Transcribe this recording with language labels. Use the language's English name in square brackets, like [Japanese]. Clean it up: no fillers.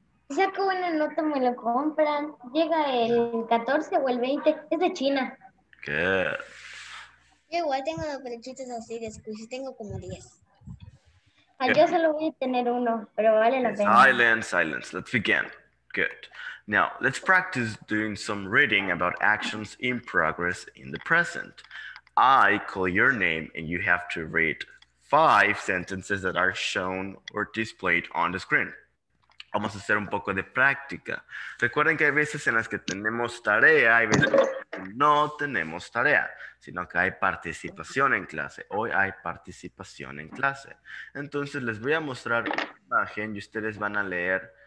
[Spanish] Saco una nota, me lo compran. Llega el 14 o el 20. Es de China. [English] squishy. [Spanish] Yo igual tengo dos peluchitos así de squishy. Tengo como 10. Ah, yo solo voy a tener uno, pero vale la pena. [English] Silence, silence. Let's begin. Good. Now, let's practice doing some reading about actions in progress in the present. I call your name and you have to read five sentences that are shown or displayed on the screen. [Spanish] Vamos a hacer un poco de práctica. Recuerden que hay veces en las que tenemos tarea, hay veces que no tenemos tarea, sino que hay participación en clase. Hoy hay participación en clase. Entonces les voy a mostrar una imagen y ustedes van a leer.